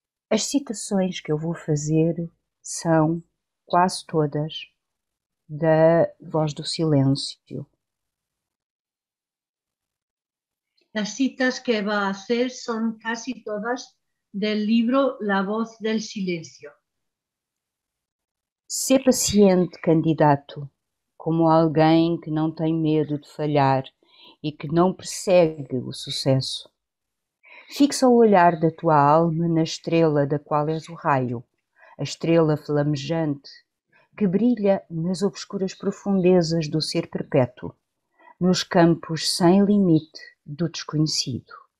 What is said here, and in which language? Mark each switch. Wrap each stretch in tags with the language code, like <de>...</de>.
<pt>As citações que eu vou fazer são quase todas da Voz do Silêncio.</pt> <es>Las citas que va a hacer son casi todas del libro La Voz del Silencio.</es> <pt>Ser paciente, candidato, como alguém que não tem medo de falhar e que não persegue o sucesso. Fixa o olhar da tua alma na estrela da qual és o raio, a estrela flamejante que brilha nas obscuras profundezas do ser perpétuo, nos campos sem limite do desconhecido.</pt>